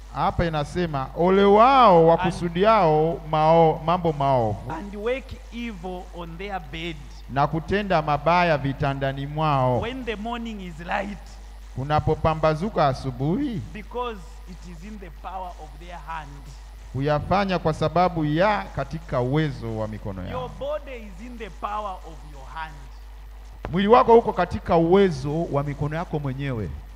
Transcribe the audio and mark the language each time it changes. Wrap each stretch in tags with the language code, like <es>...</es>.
<sw>Hapa inasema, ole wao wakusudiao mambo maovu.</sw> <en>And wake evil on their bed.</en> <sw>Na kutenda mabaya vitandani mwao.</sw> <en>When the morning is light.</en> <sw>Unapopambazuka asubuhi.</sw> <en>Because it is in the power of their hand.</en> <sw>Uyafanya kwa sababu ya katika uwezo wa mikono yao.</sw> <en>Your body is in the power of your hand.</en> <sw>Mwili wako huko katika uwezo wa mikono yako mwenyewe.</sw>